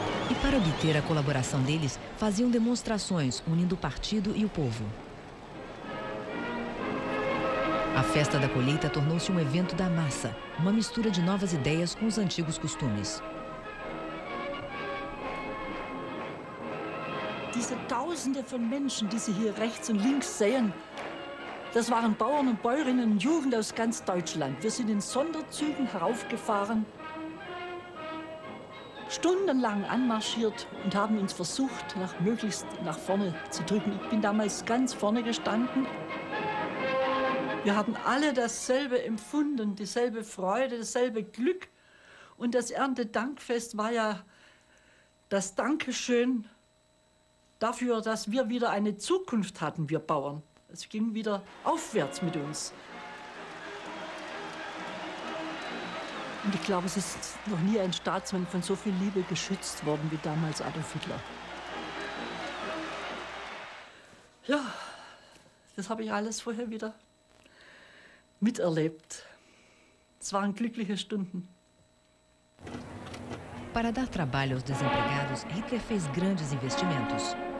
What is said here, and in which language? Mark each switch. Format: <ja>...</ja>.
<pt>E para obter a colaboração deles, faziam demonstrações unindo o partido e o povo. A festa da colheita tornou-se um evento da massa, uma mistura de novas ideias com os antigos costumes.</pt> <de>Diese tausende von Menschen, die Sie hier rechts und links sehen, das waren Bauern und Bäuerinnen und Jugend aus ganz Deutschland. Wir sind in Sonderzügen heraufgefahren, stundenlang anmarschiert und haben uns versucht, möglichst nach vorne zu drücken. Ich bin damals ganz vorne gestanden. Wir haben alle dasselbe empfunden, dieselbe Freude, dasselbe Glück. Und das Erntedankfest war ja das Dankeschön dafür, dass wir wieder eine Zukunft hatten, wir Bauern. Es ging wieder aufwärts mit uns. Und ich glaube, es ist noch nie ein Staatsmann von so viel Liebe geschützt worden wie damals Adolf Hitler. Ja, das habe ich alles vorher wieder miterlebt. Es waren glückliche Stunden.</de> <pt>Para dar trabalho aos desempregados, Hitler fez grandes investimentos.</pt>